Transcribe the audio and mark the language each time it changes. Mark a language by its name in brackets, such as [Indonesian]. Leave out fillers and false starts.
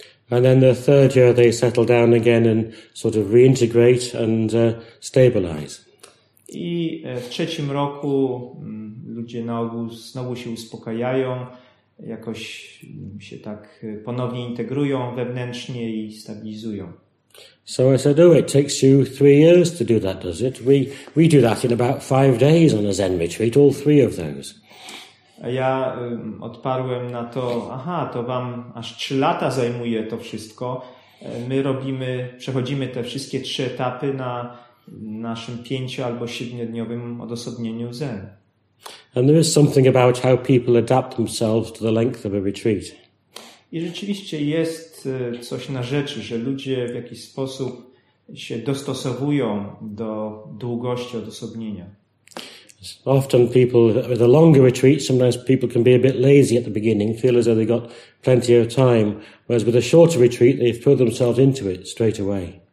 [English] And then the third year they settle down again and sort of reintegrate and stabilize. [Polish] I w trzecim roku ludzie na ogół znowu się uspokajają, jakoś się tak ponownie integrują wewnętrznie i stabilizują. [English] So I said, oh, it takes you 3 years to do that, does it? We do that in about 5 days on a Zen retreat, all three of those. [Polish] A ja odparłem na to: aha, to wam aż 3 lata zajmuje to wszystko. My przechodzimy te wszystkie 3 etapy na naszym 5- albo 7-dniowym odosobnieniu Zen. [English] And there is something about how people adapt themselves to the length of a retreat. [Polish] I rzeczywiście jest coś na rzeczy, że ludzie w jakiś sposób się dostosowują do długości odosobnienia. [English] Often people with a longer retreat, sometimes people can be a bit lazy at the beginning, feel as though they got plenty of time, whereas with a shorter retreat, they throw themselves into it straight away.